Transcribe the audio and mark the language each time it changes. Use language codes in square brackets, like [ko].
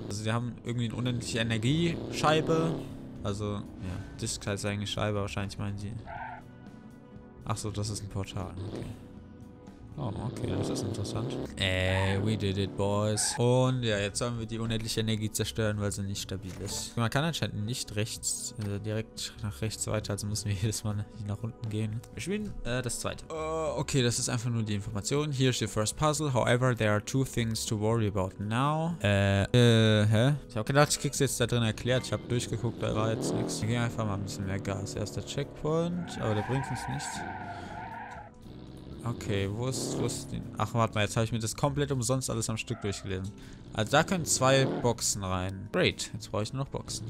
[de] Also die haben irgendwie eine unendliche Energiescheibe. Also, ja, Disk heißt eigentlich Scheibe, wahrscheinlich meinen die. Achso, das ist ein Portal. Okay. Oh, okay, das ist interessant. [en] We did it, boys. [de] Und ja, jetzt sollen wir die unendliche Energie zerstören, weil sie nicht stabil ist. Man kann anscheinend nicht rechts, also direkt nach rechts weiter, also müssen wir jedes Mal hier nach unten gehen. Wir spielen das zweite. Okay, das ist einfach nur die Information. [en] Here is the first puzzle. However, there are two things to worry about now. Hä? [de] Ich habe gedacht, ich krieg's jetzt da drin erklärt. Ich habe durchgeguckt, da war jetzt nichts. Wir gehen einfach mal ein bisschen mehr Gas. Erster Checkpoint, aber der bringt uns nichts. Okay, wo ist den? Ach, warte mal, jetzt habe ich mir das komplett umsonst alles am Stück durchgelesen. Also da können zwei Boxen rein. Great, jetzt brauche ich nur noch Boxen.